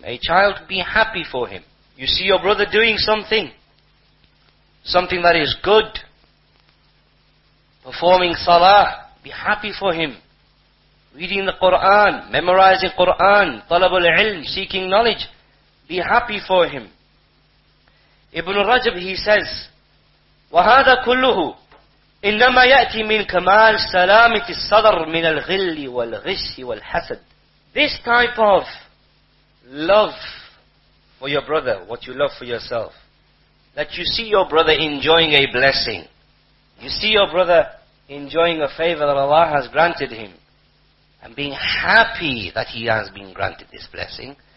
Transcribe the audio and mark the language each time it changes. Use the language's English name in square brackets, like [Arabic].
[English] A child, be happy for him. You see your brother doing something that is good, performing salah, be happy for him. Reading the Qur'an, memorizing Qur'an, [Arabic] طلب العلم, [English] seeking knowledge, be happy for him. Ibn Rajab, he says, [Arabic] وَهَذَا كُلُّهُ إِنَّمَا يَأْتِي مِنْ كَمَالِ سَلَامِةِ الصَّدَرِ مِنَ الْغِلِّ وَالْغِشِّ وَالْحَسَدِ. [English] This type of love for your brother, what you love for yourself, that you see your brother enjoying a blessing, you see your brother enjoying a favor that Allah has granted him, and being happy that he has been granted this blessing.